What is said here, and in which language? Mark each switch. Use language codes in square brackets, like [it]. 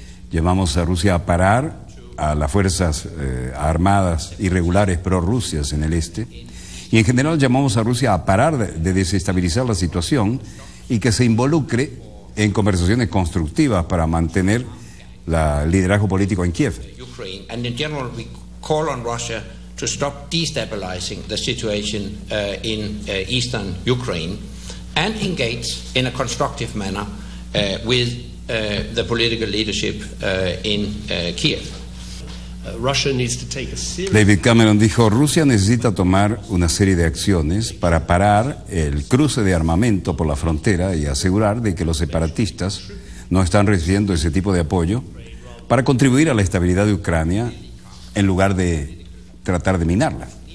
[es] Llamamos a Rusia a parar a las fuerzas armadas irregulares prorrusias en el este. Y en general llamamos a Rusia a parar de desestabilizar la situación y que se involucre en conversaciones constructivas para mantener la liderazgo político en Kiev. [en] And in general we call on Russia to stop destabilizing the situation in eastern Ukraine and engage in a constructive manner with the political leadership in Kiev. [es] David Cameron dijo, Rusia necesita tomar una serie de acciones para parar el cruce de armamento por la frontera y asegurar de que los separatistas no están recibiendo ese tipo de apoyo para contribuir a la estabilidad de Ucrania en lugar de tratar de minarla.